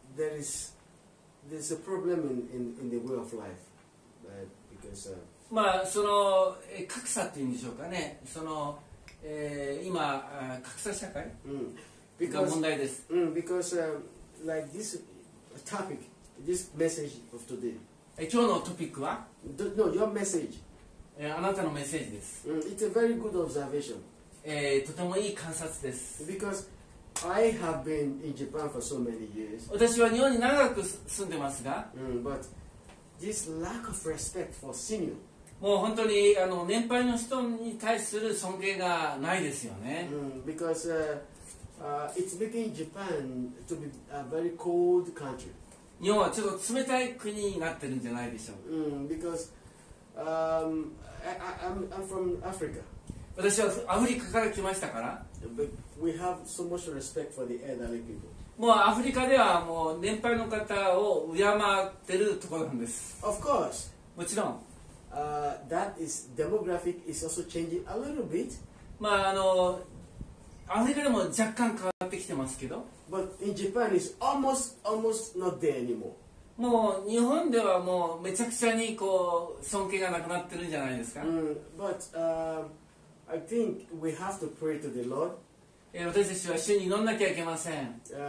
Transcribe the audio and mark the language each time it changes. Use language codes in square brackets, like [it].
[en] There's a problem in the way of life, right? Because [ja] まあその格差っていうんでしょうかね。その、今格差社会、 [en] because, [ja] が問題です。 [en] Because like this topic, this message of today. [ja] 今日のトピックは [en] No, your message. [ja] あなたのメッセージです。 [en] It's a very good observation. [ja] とてもいい観察です。 [en] Because,I have been in Japan for so many years. [ja] 私は日本に長く住んでますが、 [en] but this lack of respect for senior. [ja] もう本当に年配の人に対する尊敬がないですよね。 [en] Because it's making Japan to be a very cold country. [ja] 日本はちょっと冷たい国になってるんじゃないでしょうか。 [en] Because I'm from Africa. [ja] 私はアフリカから来ましたから。 [en] But we have so much respect for the elderly people. [ja] もうアフリカではもう年配の方を敬ってるところなんです。 [en] Of course. [ja] もちろん。 [en] That is demographic is also changing a little bit. [ja] まあアフリカでも若干変わってきてますけど。 [en] But in Japan is almost not there anymore. [ja] もう日本ではもうめちゃくちゃにこう尊敬がなくなってるんじゃないですか。 [en] But I think we have to pray to the Lord. [ja] 私たちは主に祈んなきゃいけません。